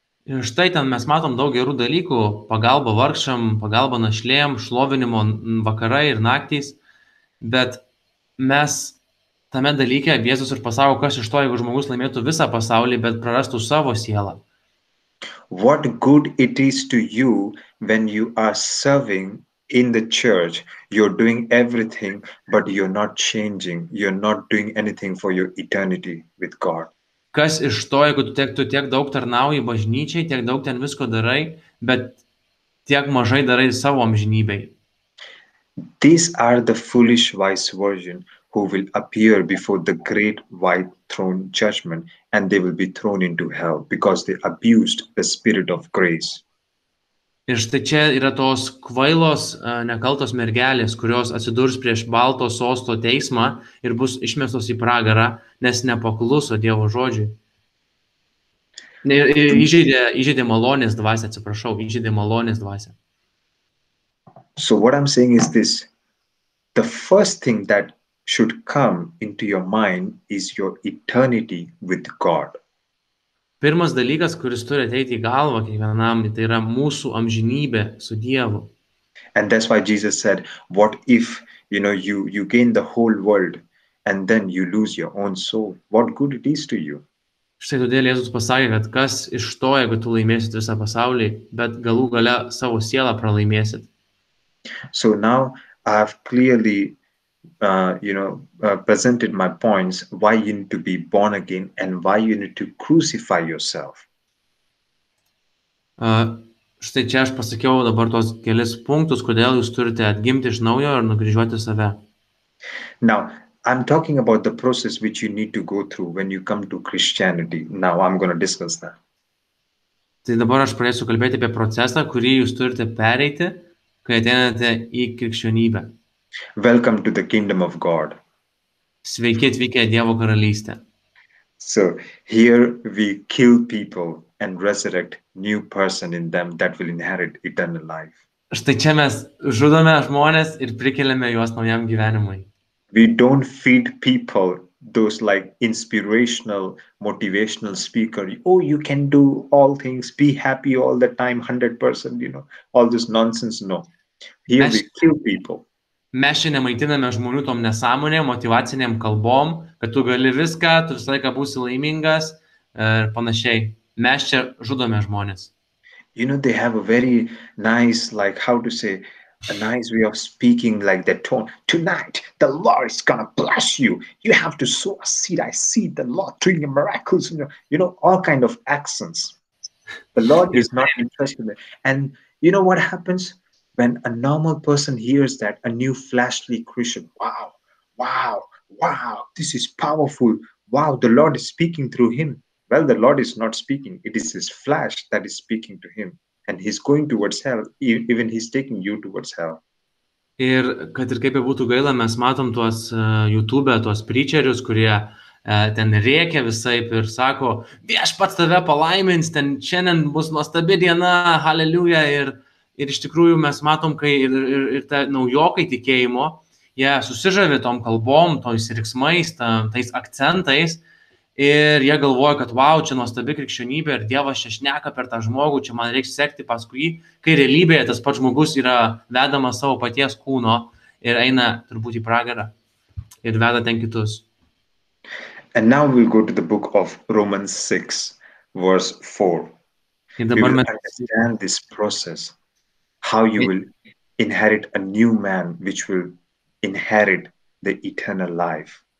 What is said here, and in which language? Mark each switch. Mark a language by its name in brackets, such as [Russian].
[Lithuanian] Ir štai ten mes matom daug gerų dalykų, pagalba vargšam, pagalba našlėjam, šlovinimo vakarai ir naktys, bet mes tame dalyke, Jėzus ir pasako, kas iš to, jeigu žmogus laimėtų visą pasaulį, bet prarastų savo sielą. [English] What good it is to you when you are serving in the church, you're doing everything, but you're not changing, you're not doing anything for your eternity with God. [Lithuanian] Kas iš to, jeigu tu tiek daug tarnauji bažnyčiai, tiek daug ten visko darai, bet tiek mažai darai savo amžinybei. [English] These are the foolish wise virgin who will appear before the great white throne judgment and they will be thrown into hell because they abused the spirit of grace. [Lithuanian] Ir štai čia yra tos kvailos, nekaltos mergelės, kurios atsidurs prieš balto sosto teismą ir bus išmestos į pragarą, nes nepakluso Dievo žodžiui. Įžeidė malonės dvasę, atsiprašau, įžeidė malonės dvasę. [English] So what I'm saying is this. The first thing that should come into your mind is your eternity with God. [Lithuanian] Pirmas dalykas, kuris turi ateiti į galvą kiekvienam, tai yra mūsų amžinybė su Dievu. [English] And that's why Jesus said, what if, you know, you gain the whole world and then you lose your own soul? What good it is to you? [Lithuanian] Štai todėl Jėzus pasakė, kad kas iš to, jeigu tu laimėsit visą pasaulį, bet galų gale savo sielą pralaimėsit. [English] So now I've clearly presented my points why you need to be born again and why you need to crucify yourself. [Lithuanian] Štai čia aš pasakiau dabar tuos kelis punktus, kodėl jūs turite atgimti iš naujo ir nukryžiuoti save. [English] Now, I'm talking about the process which you need to go through when you come to Christianity. Now, I'm going to discuss that. [Lithuanian] Tai dabar aš pradėsiu kalbėti apie procesą, kurį jūs turite pereiti, kai ateinate į krikščionybę. [English] Welcome to the kingdom of God. [Lithuanian] Sveiki atvykę Dievo karalystę. [English] So, here we kill people and resurrect new person in them that will inherit eternal life. [Lithuanian] Štai čia mes žudome žmonės ir prikeliame juos naujam gyvenimui. [English] We don't feed people those like inspirational, motivational speaker. Oh, you can do all things, be happy all the time, 100%, you know, all this nonsense, no. Here we kill people. [Lithuanian] Mes šiandien maitiname žmonių tom nesąmonėm, motivacinėm kalbom, kad tu gali viską, tu visą laiką būsi laimingas ir panašiai. Mes čia žudome žmonės. [English] You know, they have a very nice, like, how to say, a nice way of speaking, like that tone. Tonight, the Lord is gonna bless you. You have to sow a seed. I see the Lord doing miracles. You know, all kind of accents. The Lord is not interested in it. And you know what happens? When a normal person hears that, a new fleshly Christian, wow, wow, wow, this is powerful. Wow, the Lord is speaking through him. Well, the Lord is not speaking. It is his flesh that is speaking to him. And he's going towards hell. Even he's taking you towards hell. [Lithuanian] Ir kad ir kaip būtų gaila, mes matom tuos YouTube, tuos preacherius, kurie ten rėkia visaip ir sako, vieš pats tave palaimins, ten šiandien bus nuostabi diena, hallelujah, Ir iš tikrųjų mes matom, kai ir ta naujokai tikėjimo, jie susižavė tom kalbom, tois riksmais, tais akcentais, ir jie galvoja, kad wow, čia nuostabi krikščionybė ir Dievas čia šneka per tą žmogų, čia man reiks sekti paskui, kai realybėje tas pats žmogus yra vedamas savo paties kūno ir eina turbūt į pragarą ir veda ten kitus. [English] And now we'll go to the book of Romans 6, verse 4. [Lithuanian] Ir dabar [English] mes understand this process. How you will inherit a new man which will inherit the eternal life.